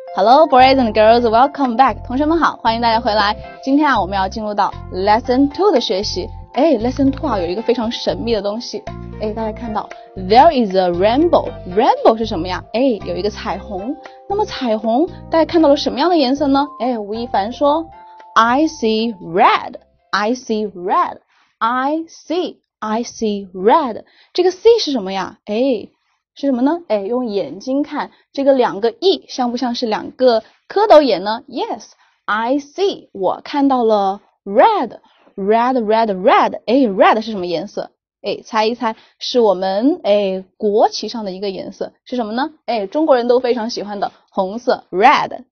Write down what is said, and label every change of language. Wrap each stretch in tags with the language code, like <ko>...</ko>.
<en>Hello, boys and girls, welcome back.</en> <zh>同学们好，欢迎大家回来。今天啊，我们要进入到 lesson 2的学习。哎， lesson 2啊，有一个非常神秘的东西。哎，大家看到 ,</zh> <en>there is a rainbow.</en> <zh>Rainbow 是什么呀？哎，有一个彩虹。那么彩虹大家看到了什么样的颜色呢？哎，吴亦凡说 ,</zh> <en>I see red. I see red. I see. I see red.</en> <zh>这个 see 是什么呀？哎，是什么呢？哎，用眼睛看，这个两个 E 像不像是两个蝌蚪眼呢？</zh> <en>Yes, I see,</en> <zh>我看到了</zh> <en>red, red, red, red.</en> <zh>哎， red 是什么颜色？哎，猜一猜，是我们哎国旗上的一个颜色，是什么呢？哎，中国人都非常喜欢的红色 red.</zh>